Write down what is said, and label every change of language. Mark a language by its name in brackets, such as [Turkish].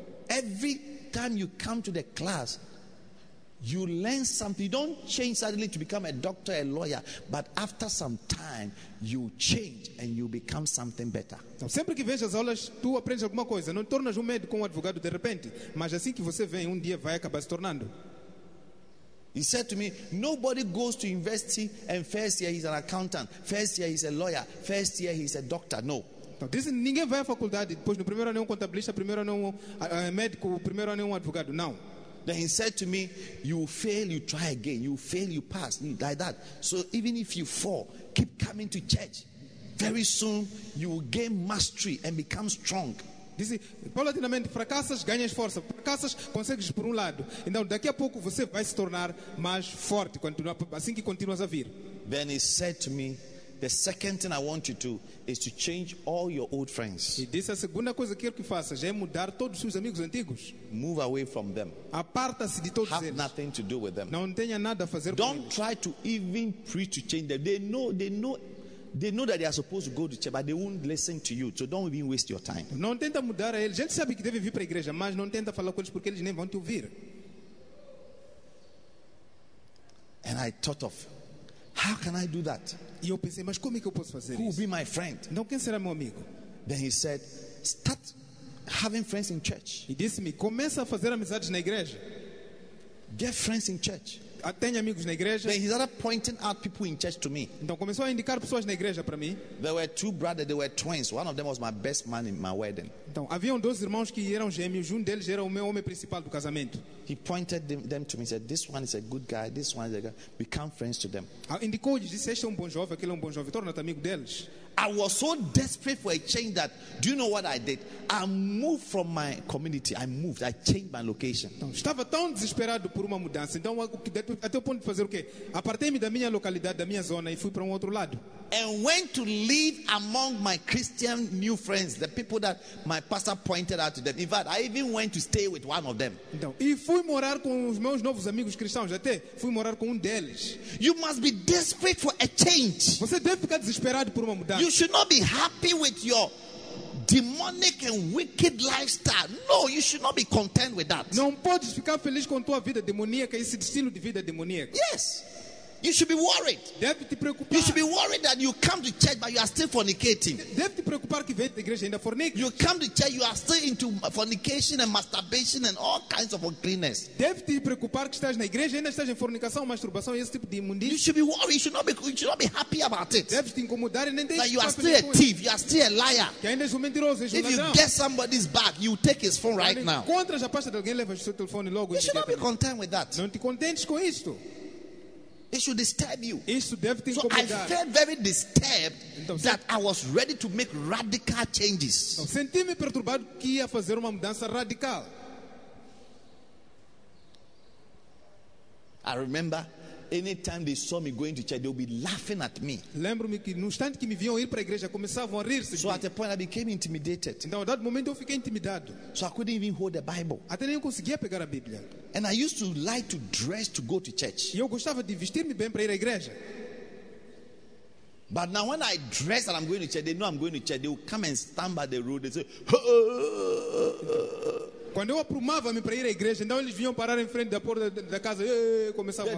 [English] Every time you come to the class, you learn something. You don't change suddenly to become a doctor, a lawyer, but after some time, you change and you become something better. [Portuguese] Então, sempre que vês as aulas, tu aprendes alguma coisa. Não te tornas médico ou advogado de repente, mas assim que você vem, dia vai acabar se tornando. [English] He said to me, nobody goes to university and first year he's an accountant, first year he's a lawyer, first year he's a doctor. No. [Portuguese] Então, diz, ninguém vai à faculdade depois no primeiro ano é contabilista, primeiro ano é médico, primeiro ano é advogado. Não. [English] Then he said to me, you fail, you try again. You fail, you pass. Like that. So even if you fall, keep coming to church. Very soon, you will gain mastery and become strong. [Portuguese] Disse, paulatinamente, fracassas, ganhas força. Fracassas, consegues por lado. Então, daqui a pouco, você vai se tornar mais forte assim que continuas a vir. [English] Then he said to me, the second thing I want you to do is to change all your old friends. [Portuguese] E disse a segunda coisa que eu quero que faças é mudar todos os seus amigos antigos. [English] Move away from them. [Portuguese] Aparta-se de todos [English] have [Portuguese] eles. [English] Have nothing to do with them. [Portuguese] Não tenha nada a fazer [English] don't [Portuguese] com eles. [English] Don't try to even preach to change them. They know that they are supposed to go to church, but they won't listen to you. So don't even waste your time. [Portuguese] Não tenta mudar a eles. Gente sabe que deve vir para a igreja, mas não tenta falar com eles porque eles nem vão te ouvir. [English] And I thought of how can I do that? [Portuguese] E eu pensei, mas como é que eu posso fazer [English] who [Portuguese] isso? [English] Will be my friend? [Portuguese] Não, quem será meu amigo? [English] Then he said, start having friends in church. [Portuguese] E disse-me, começa a fazer amizades na igreja. [English] Get friends in church. [Portuguese] Tenha amigos na igreja. [English] Then he started pointing out people in church to me. [Portuguese] Então começou a indicar pessoas na igreja para mim. [English] There were two brothers, they were twins. One of them was my best man in my wedding. [Portuguese] Então haviam dois irmãos que eram gêmeos. Um deles era o meu homem principal do casamento. [English] He pointed them to me and said, this one is a good guy, this one is a good guy. Become friends to them. [Portuguese] Indicou-lhes, disse, este é bom jovem, aquele é bom jovem. Torna-te amigo deles. [English] I was so desperate for a change that, do you know what I did? I moved from my community. I moved. I changed my location. [Portuguese] Então, estava tão desesperado por uma mudança. Então, até o ponto de fazer o quê? Apartei-me da minha localidade, da minha zona e fui para outro lado. [English] And went to live among my Christian new friends, the people that my pastor pointed out to them. In fact, I even went to stay with one of them. [Portuguese] Então, e fui morar com os meus novos amigos cristãos. Até fui morar com deles. [English] You must be desperate for a change. [Portuguese] Você deve ficar desesperado por uma mudança. [English] You should not be happy with your demonic and wicked lifestyle. No, you should not be content with that. [Portuguese] Não pode ficar feliz com tua vida demoníaca, esse estilo de vida demoníaco. [English] Yes. You should be worried. [Portuguese] Deve te preocupar. [English] You should be worried that you come to church but you are still fornicating. [Portuguese] Deve te preocupar que vem da igreja ainda fornica. [English] You come to church, you are still into fornication and masturbation and all kinds of uncleanness. [Portuguese] Deve te preocupar que estás na igreja ainda estás em fornicação, masturbação e esse tipo de imundice. [English] You should be worried. You should not be happy about it. [Portuguese] Deve te incomodar e nem deixar. [English] That you are still a thief. You are still a liar. [Portuguese] Que ainda és mentiroso. [English] If you get somebody's bag, you take his phone right now. [Portuguese] Encontras a pasta de alguém, leva seu telefone logo. [English] You should not be content with that. [Portuguese] Não te contentes com isto. [English] It should disturb you. [Portuguese] Isso deve te incomodar. [English] So I felt very disturbed that I was ready to make radical changes. [Portuguese] Então, senti-me perturbado que ia fazer uma mudança radical. [English] I remember anytime they saw me going to church, they would be laughing at me. [Portuguese] Lembro-me que no instante que me viam ir para a igreja, começavam a rir-se. [English] So at a point I became intimidated. [Portuguese] Então, a dado momento eu fiquei intimidado. [English] So I couldn't even hold the Bible. [Portuguese] Até nem conseguia pegar a Bíblia. [English] And I used to like to dress to go to church. [Portuguese] E eu gostava de vestir-me bem para ir à igreja. [English] But now when I dress and I'm going to church, they know I'm going to church. They will come and stand by the road and say, "Oh." [Portuguese] Quando eu aprumava-me para ir à igreja, então eles vinham parar em frente da porta da casa e começavam